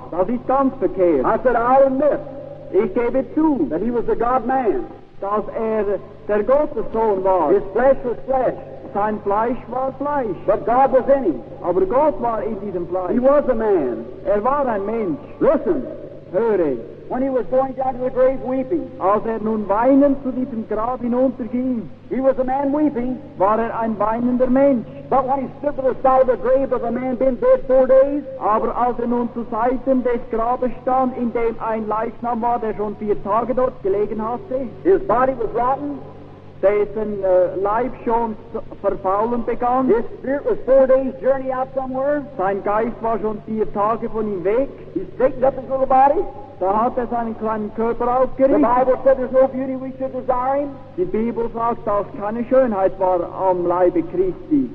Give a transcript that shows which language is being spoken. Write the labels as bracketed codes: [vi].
[de] Das ist ganz verkehrt. [en] I said, I'll admit. [de] Ich gebe zu. [en] That he was a God-man. [de] Dass der Gottessohn war. [en] His flesh was flesh. [de] Sein Fleisch war Fleisch. [en] But God was in him. [de] Aber Gott war in diesem Fleisch. [en] He was a man. [de] Er war ein Mensch. [en] Listen. [de] Höre. [en] When he was going down to the grave weeping. [de] Als er nun weinend zu diesem Grab hinunterging. [en] He was a man weeping. [de] War er ein weinender Mensch. [en] But when he stood to the side of the grave of a man been dead 4 days. [de] Aber als er nun zu Seiten des Grabes stand, in dem ein Leichnam war, der schon 4 Tage dort gelegen hatte. [en] His body was rotten. [de] Dessen Leib schon verfaulen begann. [en] His spirit was 4 days journey out somewhere. [de] Sein Geist war schon 4 Tage von ihm weg. [en] He straightened up his little body. [de] Da hat er seinen kleinen Körper aufgerichtet. [en] The Bible said there's no beauty we should desire him. [de] Die Bibel sagt, dass keine Schönheit war am Leibe Christi.